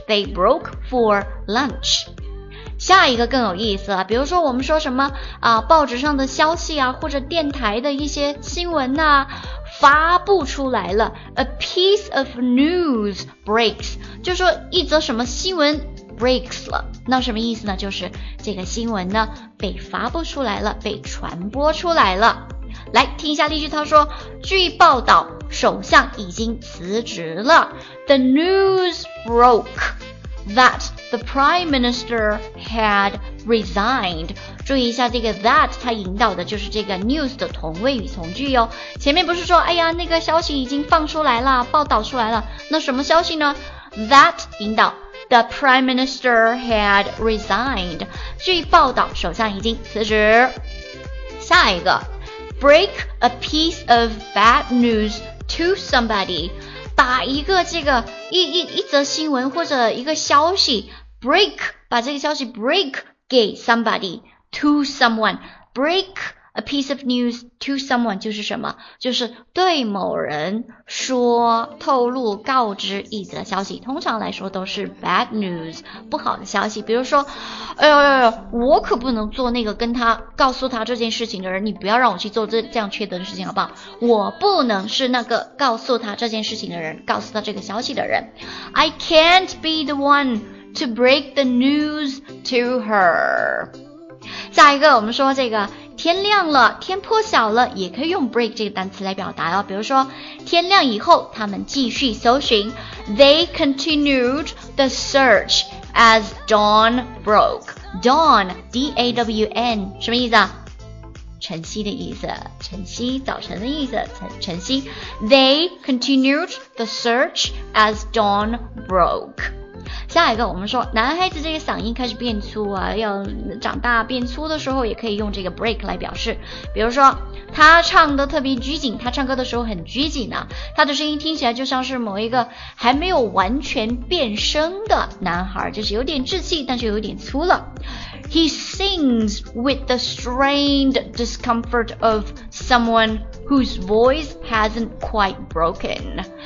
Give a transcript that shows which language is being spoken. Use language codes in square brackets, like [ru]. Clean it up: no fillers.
[en] They broke for lunch. [zh] 下一个更有意思了，比如说我们说什么啊，报纸上的消息啊，或者电台的一些新闻呐、发布出来了 ， [en] a piece of news breaks， [zh] 就说一则什么新闻 breaks 了，那什么意思呢？就是这个新闻呢被发布出来了，被传播出来了。来听一下例句，他说，据报道，首相已经辞职了。 [en] The news broke that the prime minister had resigned。 [zh] 注意一下这个 that， 它引导的就是这个 news 的同位语从句哟。前面不是说，哎呀，那个消息已经放出来了，报道出来了。那什么消息呢 ？That 引导 [en] the prime minister had resigned。 [zh] 据报道，首相已经辞职。下一个 ， [en] break a piece of bad news to somebody， [zh] 把一个这个一则新闻或者一个消息 break， 把这个消息 break 给 somebody。 [en] To someone, break a piece of news to someone [zh] 就是什么？就是对某人说、透露、告知一则消息。通常来说都是 bad news， 不好的消息。比如说，哎呦呦呦，我可不能做那个跟他告诉他这件事情的人，你不要让我去做这样缺德的事情，好不好？我不能是那个告诉他这件事情的人，告诉他这个消息的人。 [en] I can't be the one to break the news to her. [zh] 下一个，我们说这个天亮了，天破晓了，也可以用 break 这个单词来表达哦。比如说，天亮以后，他们继续搜寻 ， [en] They continued the search as dawn broke. [zh] Dawn, D-A-W-N， 什么意思啊？晨曦的意思，晨曦，早晨的意思，晨曦。 [en] They continued the search as dawn broke. [zh] 下一个，我们说男孩子这个嗓音开始变粗啊，要长大变粗的时候，也可以用这个 break 来表示。比如说，他唱得特别拘谨，他唱歌的时候很拘谨啊，他的声音听起来就像是某一个还没有完全变声的男孩，就是有点稚气，但是有点粗了。 [en] He sings with the strained discomfort of someone whose voice hasn't quite broken。